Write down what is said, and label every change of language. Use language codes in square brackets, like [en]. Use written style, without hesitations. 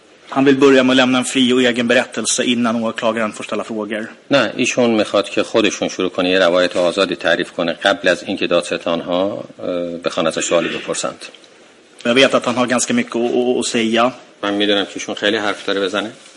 [sv] Han vill börja med att lämna en fri och egen berättelse innan åklagaren får ställa frågor. [fa] Nej, ایشون میخواد که خودشون شروع کنه یه روایت آزادی تعریف کنه قبل از اینکه دادستان ها بخوان ازش سوالی بپرسند. [sv] Jag vet att han har ganska mycket att säga. Man meddelar att han själv har fått det.